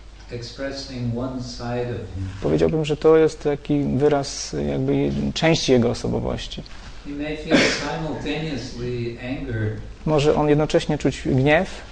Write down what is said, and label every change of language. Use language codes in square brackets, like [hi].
[en] Expressing one side of him. [pl] Powiedziałbym, że to jest taki wyraz jakby części jego osobowości. [en] He may feel simultaneously anger. [pl] Może on jednocześnie czuć gniew